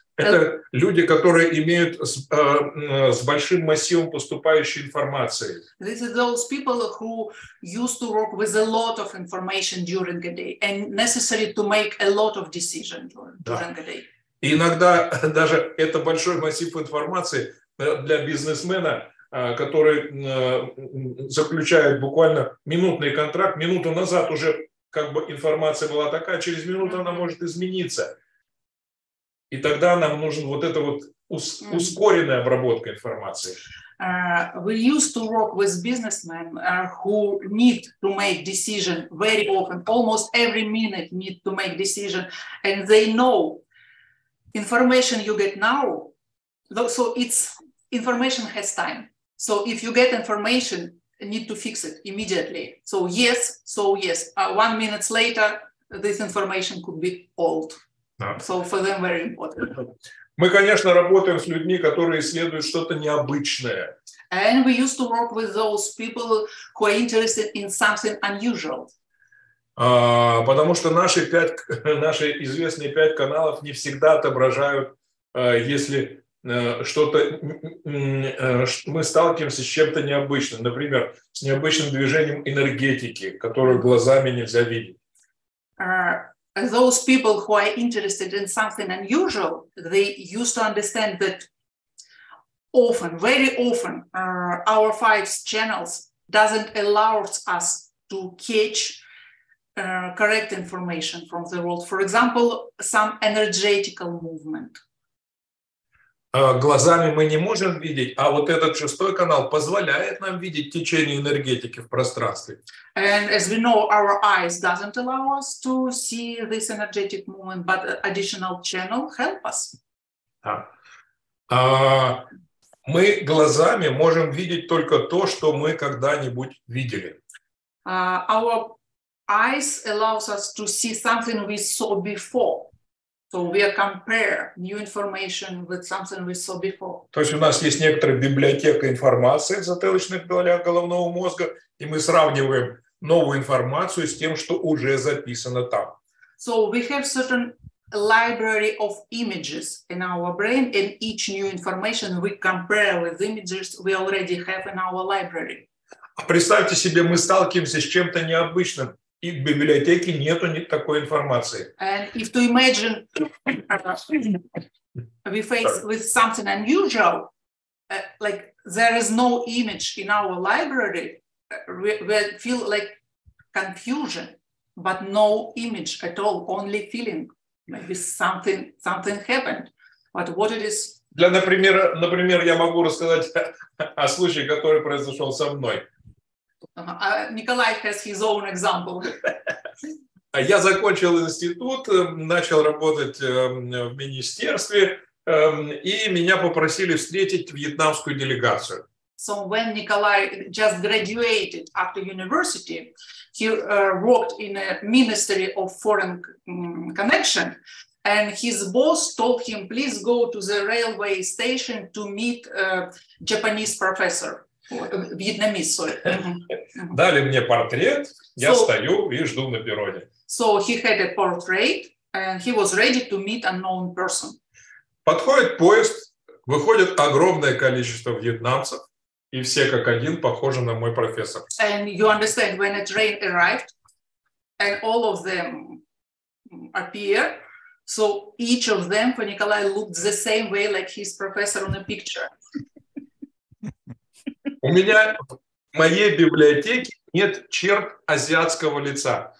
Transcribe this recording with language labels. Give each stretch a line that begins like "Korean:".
Russian: Это люди, которые имеют с большим массивом поступающей информации.
English: These are those people who used to work with a lot of information during a day and necessary to make a lot of decisions during a day.
Russian: И иногда даже это большой массив информации для бизнесмена, который заключает буквально минутный контракт, минуту назад уже как бы информация была такая, через минуту она может измениться. И тогда нам нужен вот эта вот ускоренная обработка информации.
English: We used to work with businessmen who need to make decision very often, almost every minute need to make decision, and they know information you get now, so it's information has time. So if you get information, you need to fix it immediately. So yes. 1 minute later, this information could be old. So for them very important.
Russian: Мы, конечно, работаем с людьми, которые исследуют что-то необычное.
English: And we used to work with those people who are interested in something unusual.
Russian: Потому что наши известные пять каналов не всегда отображают, если что-то мы сталкиваемся с чем-то необычным, например, с необычным движением энергетики, которую глазами нельзя видеть.
English: Those people who are interested in something unusual, they used to understand that often, very often, our five channels doesn't allow us to catch correct information from the world. For example, some energetical movement.
Russian: глазами мы не можем видеть, а вот этот шестой канал позволяет нам видеть течение энергетики в пространстве.
English: And as we know, our eyes doesn't allow us to see this energetic movement, but additional channel help us.
Russian: Мы глазами можем видеть только то, что мы когда-нибудь видели.
English: Our eyes allows us to see something we saw before. So we compare new information with something we saw before.
Russian: То есть у нас есть некоторая библиотека информации в затылочных долях головного мозга, и мы сравниваем новую информацию с тем, что уже записано там.
English: So we have certain library of images in our brain, and each new information we compare with images we already have in our library.
Russian: А представьте себе, мы сталкиваемся с чем-то необычным. И в библиотеке нету такой информации.
English: And if to imagine we face with something unusual, like there is no image in our library, we feel like confusion, but no image at all, only feeling. Maybe something happened. But what it is?
Russian: Для например, я могу рассказать о случае, который произошел со мной.
English: Николай has his own example.
Russian: Я закончил институт, начал работать в министерстве, и меня попросили встретить вьетнамскую делегацию.
English: So when Nikolay just graduated after university, he worked in a ministry of foreign connection, and his boss told him, please go to the railway station to meet a Japanese professor.
Russian: Вьетнамец,
English: sorry.
Russian: Дали мне портрет, я стою и жду на перроне.
English: So he had a portrait, and he was ready to meet unknown person.
Russian: Подходит поезд, выходит огромное количество вьетнамцев, и все как один похожи на мой профессор.
English: And you understand, when a train arrived, and all of them appear, so each of them, for Nikolay, looked the same way, like his professor on the picture.
Russian: У меня в моей библиотеке нет черт азиатского лица.